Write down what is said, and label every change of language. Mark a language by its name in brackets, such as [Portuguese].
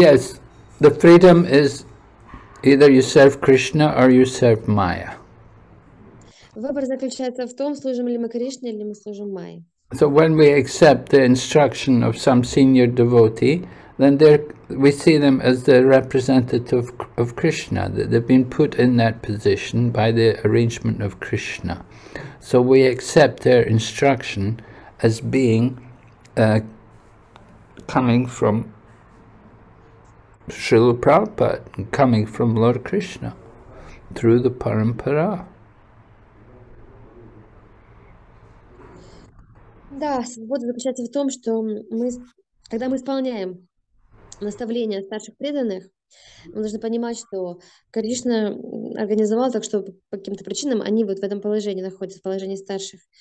[English] Yes, the freedom is either you serve Krishna or you serve Maya. [Russian] Выбор заключается в том, служим ли мы Кришне или мы служим Майе. [English] So when we accept the instruction of some senior devotee, then we see them as the representative of Krishna. They've been put in that position by the arrangement of Krishna. So we accept their instruction as being coming from Srila Prabhupada, coming from Lord Krishna through the parampara. [Russian] Да, свобода заключается в том, что мы, когда мы исполняем наставления старших преданных, мы должны понимать, что Кришна организовал так, что по каким-то причинам они вот в этом положении находятся, в положении старших.